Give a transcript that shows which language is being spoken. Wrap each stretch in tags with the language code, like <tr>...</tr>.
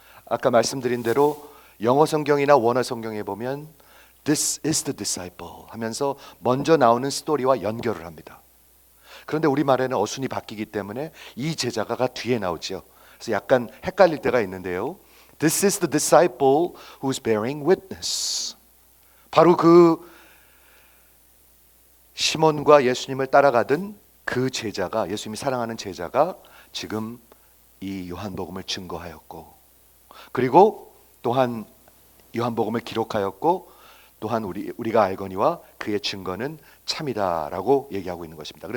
<ko>아까 말씀드린 대로 영어성경이나 원어성경에 보면</ko> <en>This is the disciple</en> <ko>하면서 먼저 나오는 스토리와 연결을 합니다. 그런데 우리말에는 어순이 바뀌기 때문에 이 제자가가 뒤에 나오죠. 그래서 약간 헷갈릴 때가 있는데요.</ko> <en>This is the disciple who's bearing witness.</en> <ko>바로 그 시몬과 예수님을 따라가던 그 제자가, 예수님이 사랑하는 제자가 지금 이 요한복음을 증거하였고, 그리고 또한 요한복음을 기록하였고, 또한 우리가 알거니와 그의 증거는 참이다라고 얘기하고 있는 것입니다.</ko>